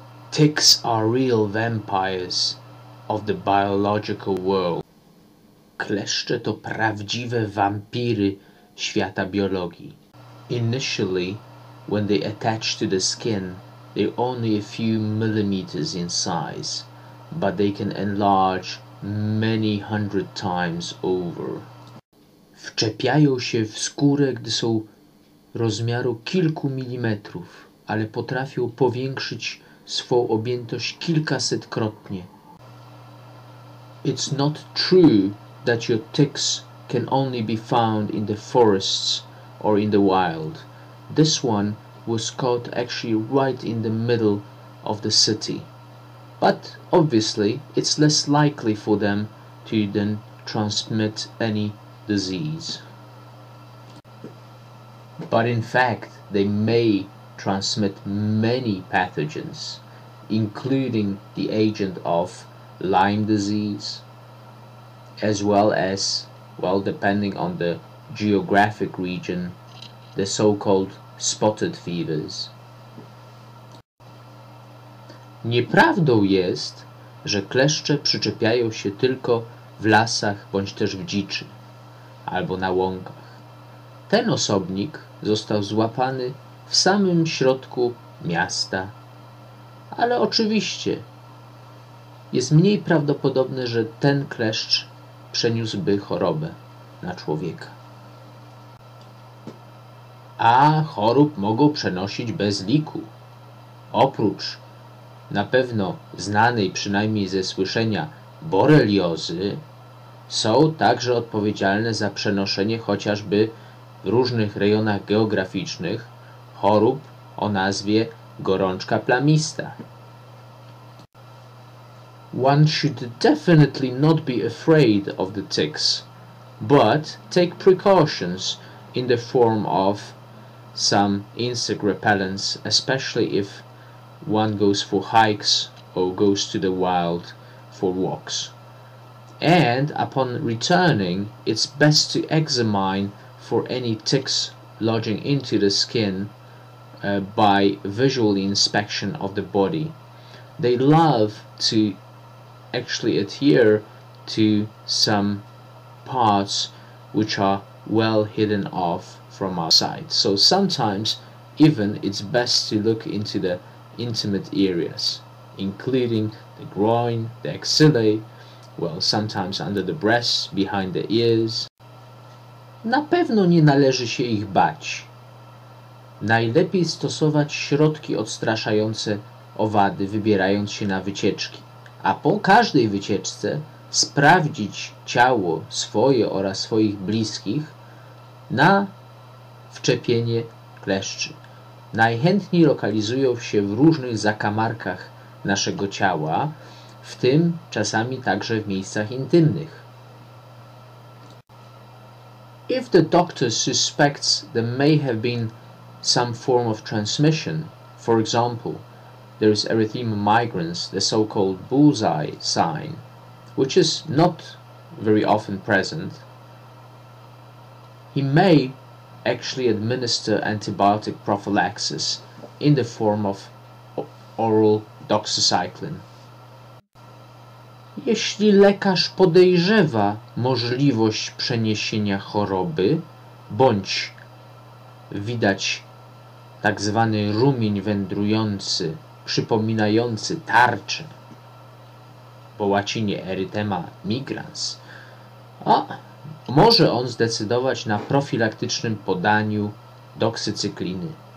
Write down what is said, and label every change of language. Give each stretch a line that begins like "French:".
English: ticks are real vampires of the biological world.
Polish: Kleszcze to prawdziwe wampiry świata biologii.
English: Initially, when they attach to the skin, they're only a few millimeters in size, but they can enlarge many hundred times over.
Polish: Wczepiają się w skórę, gdy są rozmiaru kilku milimetrów, ale potrafią powiększyć swą objętość kilkasetkrotnie.
English: It's not true that your ticks can only be found in the forests or in the wild. This one was caught actually right in the middle of the city. But obviously, it's less likely for them to then transmit any disease. But in fact, they may transmit many pathogens, including the agent of Lyme disease, as well as, well, depending on the geographic region, the so-called spotted fevers.
Polish: Nieprawdą jest, że kleszcze przyczepiają się tylko w lasach bądź też w dziczy, albo na łąkach. Ten osobnik został złapany w samym środku miasta. Ale oczywiście jest mniej prawdopodobne, że ten kleszcz przeniósłby chorobę na człowieka. A chorób mogą przenosić bez liku. Oprócz na pewno znanej przynajmniej ze słyszenia boreliozy, są także odpowiedzialne za przenoszenie chociażby w różnych rejonach geograficznych chorób o nazwie gorączka plamista.
English: One should definitely not be afraid of the ticks, but take precautions in the form of some insect repellents, especially if one goes for hikes or goes to the wild for walks. And upon returning, it's best to examine for any ticks lodging into the skin by visual inspection of the body. They love to actually adhere to some parts which are well hidden off from our sight. So sometimes even it's best to look into the intimate areas, including the groin, the axillae, well, sometimes under the breasts, behind the ears.
Polish: Na pewno nie należy się ich bać. Najlepiej stosować środki odstraszające owady, wybierając się na wycieczki. A po każdej wycieczce sprawdzić ciało swoje oraz swoich bliskich na wczepienie kleszczy. Najchętniej lokalizują się w różnych zakamarkach naszego ciała, w tym czasami także w miejscach intymnych.
English: If the doctor suspects there may have been some form of transmission, for example, there is erythema migrans, the so-called bullseye sign, which is not very often present, he may actually administer antibiotic prophylaxis in the form of oral doxycycline.
Polish: Jeśli lekarz podejrzewa możliwość przeniesienia choroby, bądź widać tak zwany rumień wędrujący, przypominający tarczę, po łacinie erythema migrans, a może on zdecydować na profilaktycznym podaniu doksycykliny.